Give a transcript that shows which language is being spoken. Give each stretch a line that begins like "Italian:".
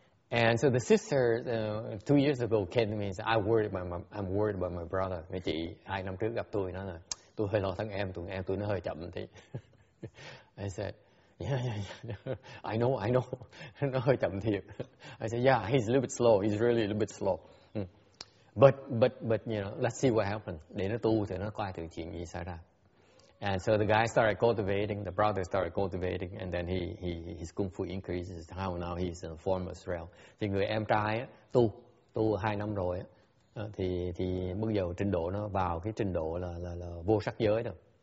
English: And so the sister 2 years ago came to me and said, I'm worried about my brother.
Vietnamese: Cái chị 2 năm trước gặp tôi nó là tôi hơi lo thằng em, tụi em tôi nó hơi chậm thì.
English: I said, yeah, I know.
Vietnamese: Nó hơi chậm thiệt.
English: I said, yeah, he's a little bit slow. He's really a little bit slow. But you know, let's see what happens.
Vietnamese: Để nó tu thì nó coi thử chuyện gì xảy ra.
English: And so the guy started cultivating, the brother started cultivating, and then his kung fu increases. How now he's in form as well.
Vietnamese: Thì người em trai á, tu 2 năm rồi á, thì bước vào trình độ nó vào cái trình độ là vô sắc giới rồi.